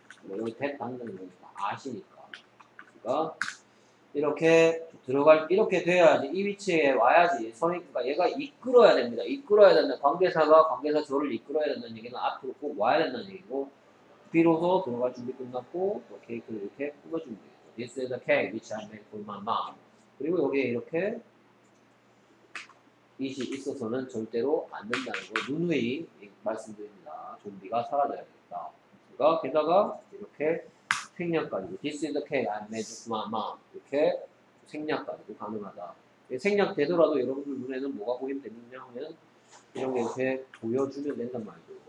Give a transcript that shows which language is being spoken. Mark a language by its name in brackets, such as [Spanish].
[Korean] 여러분 탭 닫는 거 아시니까. 그러니까 이렇게 들어갈, 이렇게 돼야지, 이 위치에 와야지, 선입, 그러니까 얘가 이끌어야 됩니다. 이끌어야 된다. 관계사가 관계사 저를 이끌어야 된다는 얘기는 앞으로 꼭 와야 된다는 얘기고, 비로소 들어갈 준비 끝났고, 또 케이크를 이렇게 뿌려주면 되겠죠. [English] This is a cake which I made for my mom. [Korean] 그리고 여기에 이렇게, 이시 있어서는 절대로 안 된다는 걸 누누이 말씀드립니다. 좀비가 사라져야 됩니다. 그러니까 게다가 이렇게 생략까지, [English] This is a cake I made for my mom. [Korean] 이렇게 생략까지도 가능하다. 생략되더라도 여러분들 눈에는 뭐가 보이면 되느냐 하면 이런 게 이렇게 보여주면 된단 말이죠.